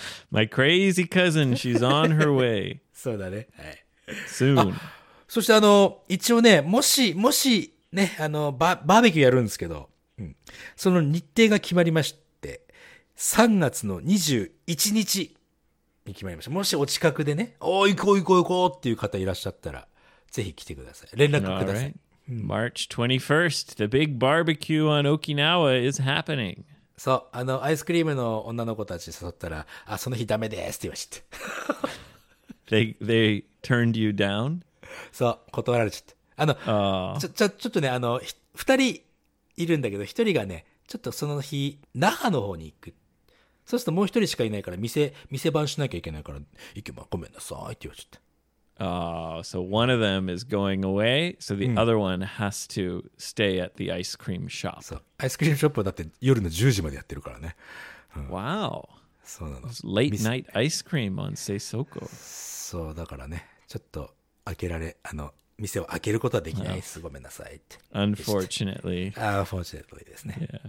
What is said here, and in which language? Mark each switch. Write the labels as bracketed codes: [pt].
[en] My crazy cousin, she's on her way. [ja] そうだね。はい。 [en] Soon. [ja] そして一応ね、もしね、あの、バーベキューやるんですけど、うん、その日程が決まりまして、3月の21日に決まりました。もしお近くでね、おー、行こう行こう行こうっていう方いらっしゃったら、ぜひ来てください。連絡ください。 [en] Right. March 21st, the big barbecue on Okinawa is happening. [ja] そう、あの、アイスクリームの女の子たち誘ったら、あ、その日ダメですって言いました。 [en] They turned you down? [ja] そう、断られちゃった。あの、ちょっとね、あの、二人いるんだけど、一人がね、ちょっとその日、那覇の方に行く。そうするともう一人しかいないから、店番しなきゃいけないから、行けばごめんなさいって言っちゃった。 [en] Oh, so one of them is going away, so the other one has to stay at the ice cream shop. [ja] そう、アイスクリームショップはだって夜の10時までやってるからね。 [en] Wow. [ja] そうなの。 [en] Late night ice cream on Seisoko. [ja] そう、だからね、ちょっと開けられ、あの、店を開けることはできないです。ごめんなさいって。 [en] Unfortunately. Unfortunately [ja] ですね。